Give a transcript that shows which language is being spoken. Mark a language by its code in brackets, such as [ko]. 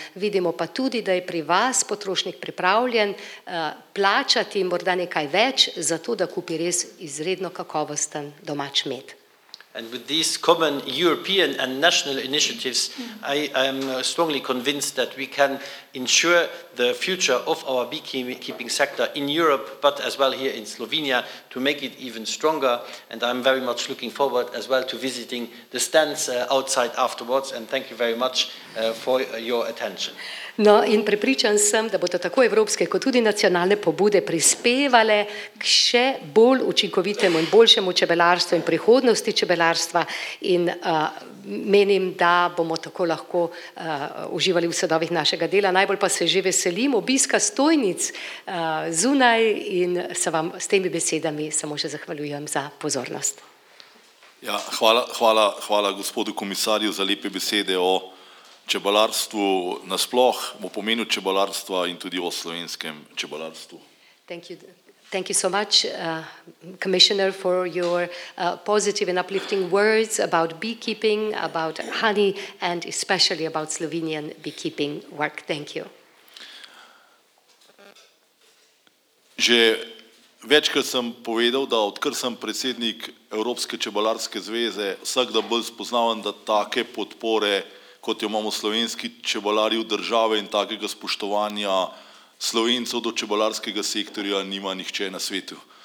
[sl] Vidimo pa tudi, da je pri vas potrošnik pripravljen plačati morda nekaj več za to, da kupi res izredno kakovosten domač med. [en] And with these common European and national initiatives, I am strongly convinced that we can ensure the future of our beekeeping sector in Europe, but as well here in Slovenia, to make it even stronger. And I'm very much looking forward as well to visiting the stands outside afterwards. And thank you very much for your attention. [sl] No, in prepričan sem, da bodo tako evropske kot tudi nacionalne pobude prispevale k še bolj učinkovitemu in boljšemu čebelarstvu in prihodnosti čebelarstva in menim, da bomo tako lahko uživali v sadovih našega dela. Najbolj pa se že veselim obiska stojnic zunaj in se vam s temi besedami samo še zahvaljujem za pozornost. Ja, hvala gospodu komisarju za lepe besede o čebelarstvu nasploh, v pomenu čebelarstva in tudi o slovenskem čebelarstvu. [en] Thank you so much, Commissioner, for your positive and uplifting words about beekeeping, about honey, and especially about Slovenian beekeeping work. Thank you. [sl] Že večkrat sem povedal, da odkar sem predsednik Evropske čebelarske zveze, vsak da bolj spoznavam, da take podpore kot jo imamo slovenski čebelarji v države in takega spoštovanja Slovencev do čebelarskega sektorja nima nihče na svetu.